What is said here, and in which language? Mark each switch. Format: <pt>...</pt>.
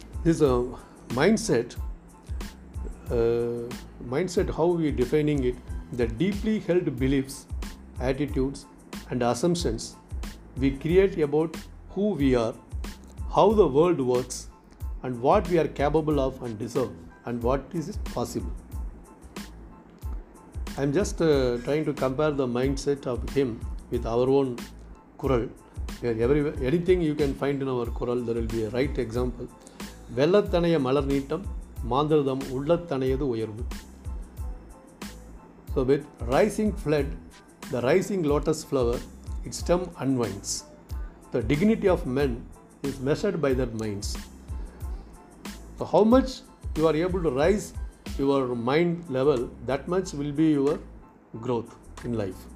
<en>This mindset, how we defining it, the deeply held beliefs, attitudes and assumptions we create about who we are, how the world works and what we are capable of and deserve and what is possible. I am just trying to compare the mindset of him with our own Kural. Anything you can find in our Kural, there will be a right example.</en> <ta>வெள்ளத்தனைய மலர் நீட்டம் மாந்திரதம் உள்ளத்தனையது உயர்வு.</ta> <en>So with rising flood, the rising lotus flower, its stem unwinds. the dignity of men is measured by their minds. So how much you are able to rise your mind level, that much will be your growth in life.</en>